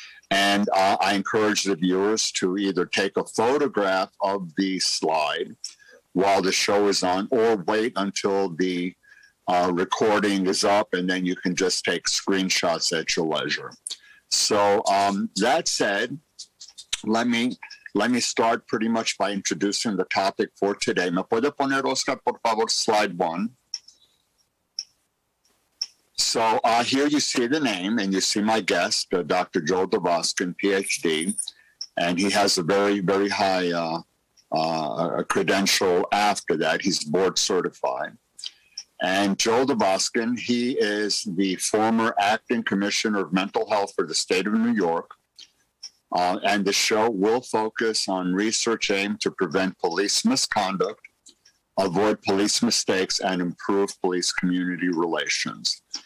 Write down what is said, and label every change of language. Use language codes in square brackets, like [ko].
[en] And I encourage the viewers to either take a photograph of the slide while the show is on, or wait until the recording is up, and then you can just take screenshots at your leisure. So that said, let me start pretty much by introducing the topic for today. [es] ¿Me puede poner, Oscar, por favor, [en] slide one? So here you see the name, and you see my guest, Dr. Joel Dvoskin, PhD, and he has a very, very high credential after that. He's board certified. And Joel Dvoskin, he is the former acting commissioner of mental health for the state of New York, and the show will focus on research aimed to prevent police misconduct, avoid police mistakes, and improve police community relations.